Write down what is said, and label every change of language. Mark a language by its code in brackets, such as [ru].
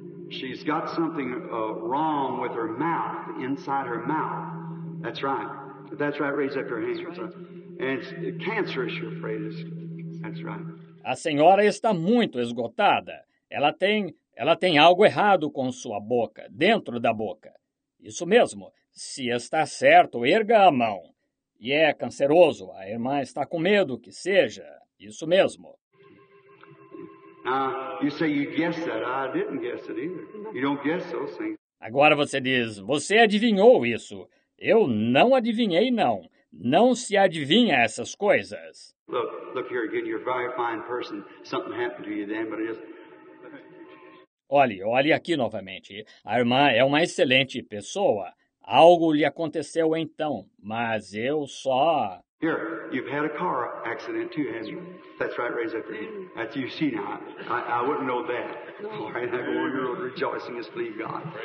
[en] She's got something wrong with her mouth, inside her mouth. That's right. That's right. Raise up your hand. That's right. And it's cancerous, you're afraid. That's right. [pt] A senhora está muito esgotada. Ela tem algo errado com sua boca, dentro da boca. Isso mesmo. Se está certo, erga a mão. E é canceroso. A irmã está com medo que seja. Isso mesmo. [en] You say you guessed that. I didn't guess it either. You don't guess those things. [pt] Agora você diz, você adivinhou isso. Eu não adivinhei, não. Não se adivinha essas coisas. [en] Look here again. You're a very fine person. Something happened to you then, but it is... [pt] Olhe aqui novamente. A irmã é uma excelente pessoa. Algo lhe aconteceu então, mas eu só... [en] Here, you've had a car accident too, haven't you? That's right, raise up your hand. That's you see now. I wouldn't know that. All right, I go on your road rejoicing as please God.